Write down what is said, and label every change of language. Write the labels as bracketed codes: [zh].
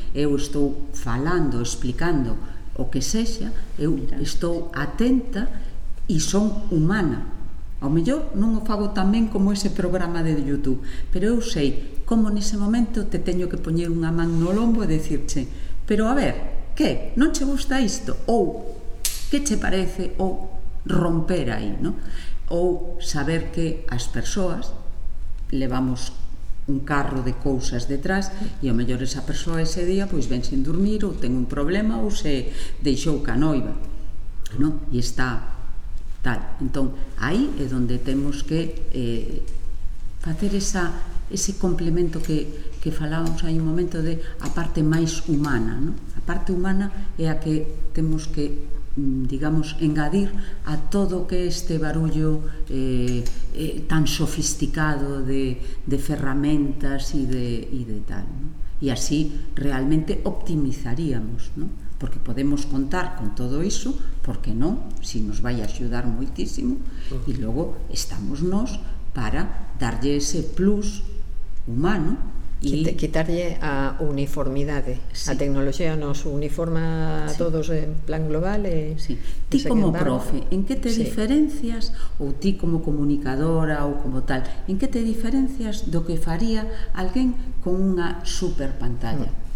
[gl] Eu estou falando, explicando o que sexa, eu estou atenta e son humana. Ao mellor non o fago tan ben como ese programa de YouTube, pero eu sei como nese momento te teño que poñer unha man no lombo e dicirche, pero a ver, que? Non che gusta isto? Ou, que che parece? Ou, romper aí, non? Ou, saber que as persoas levamos un carro de cousas detrás e ao mellor esa persoa ese día pois ven sin dormir ou ten un problema ou se deixou canoiva, non? E está tal. Entón, aí é donde temos que facer ese complemento que falábamos aí un momento de a parte máis humana, non? A parte humana é a que temos que digamos, engadir a todo que este barullo tan sofisticado de ferramentas y de tal, ¿no? [es] Y así realmente optimizaríamos, ¿no? Porque podemos contar con todo eso, ¿por qué no? Si nos vaya a ayudar muchísimo, y luego estámonos para darle ese plus humano. Y quitarle a uniformidade. [gl] Sí. A tecnoloxía nos uniforma a todos en plan global. [es] Sí. [gl] Ti como profe, ¿en que te diferencias? Ou ti como comunicadora ou como tal, ¿en que te diferencias do que faría alguén con unha superpantalla?